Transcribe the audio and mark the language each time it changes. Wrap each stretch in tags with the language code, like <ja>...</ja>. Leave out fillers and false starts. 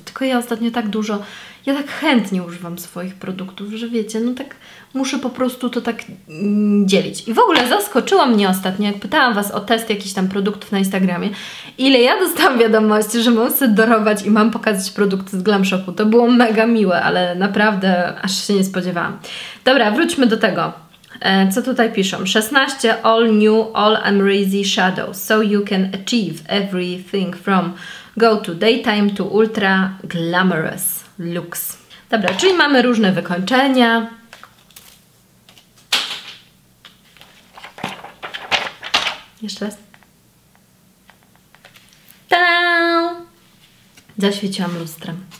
<pl>Tylko ja ostatnio tak dużo, ja tak chętnie używam swoich produktów, że wiecie, no tak muszę po prostu to tak dzielić. I w ogóle zaskoczyło mnie ostatnio, jak pytałam Was o test jakichś tam produktów na Instagramie, ile ja dostałam wiadomości, że mam sobie dorować i mam pokazać produkty z Glam Shopu. To było mega miłe, ale naprawdę aż się nie spodziewałam. Dobra, wróćmy do tego. Co tutaj piszą?</pl> <en>16 All New All Ambrizzi Shadows, so you can achieve everything from go to daytime to ultra glamorous looks.</en> <pl>Dobra, czyli mamy różne wykończenia. Jeszcze raz. Ta-dam! Zaświeciłam lustrem.</pl>